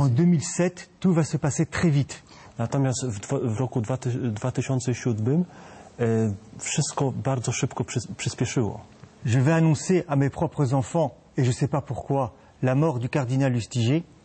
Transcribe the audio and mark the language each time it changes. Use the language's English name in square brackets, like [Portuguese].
[French] En 2007, tout va se passer très vite. [Polish] Natomiast w roku 2007 wszystko bardzo szybko przyspieszyło. [French] Je vais annoncer à mes propres enfants, et je sais pas pourquoi, la mort du cardinal Lustiger.